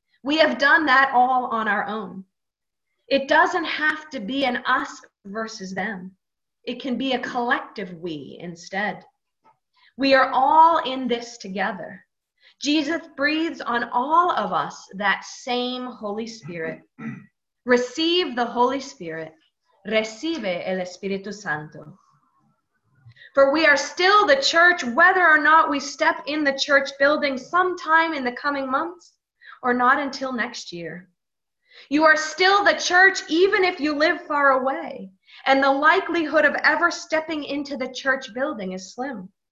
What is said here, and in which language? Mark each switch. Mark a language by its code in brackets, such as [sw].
[en] We have done that all on our own. It doesn't have to be an us versus them. It can be a collective we instead. We are all in this together. Jesus breathes on all of us that same Holy Spirit. Receive the Holy Spirit. [es] Recibe el Espíritu Santo. [en] For we are still the church, whether or not we step in the church building sometime in the coming months or not until next year. You are still the church, even if you live far away, and the likelihood of ever stepping into the church building is slim.